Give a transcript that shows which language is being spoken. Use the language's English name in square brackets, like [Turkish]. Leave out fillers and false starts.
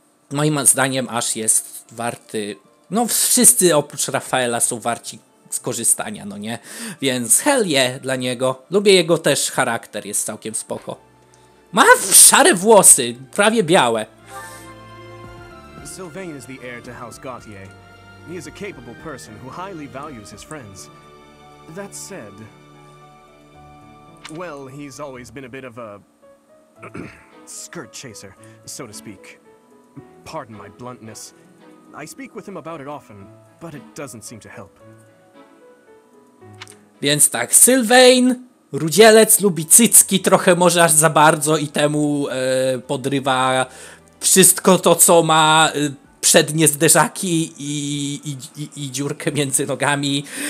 [Polish] Moim zdaniem aż jest warty, no wszyscy oprócz Rafaela są warci skorzystania, no nie? Więc [English] hell yeah [Polish] dla niego. Lubię jego też charakter, jest całkiem spoko. Ma szare włosy, prawie białe. [English] Sylvain is the heir to House Gautier. He is a capable person who highly values his friends. That said, well, he's always been a bit of a skirt chaser, so to speak. Pardon my bluntness. I speak with him about it often, but it doesn't seem to help. [Polish] Więc tak, Sylvain, rudzielec, lubi cycki trochę może aż za bardzo i temu podrywa wszystko to, co ma przednie zderzaki i dziurkę między nogami.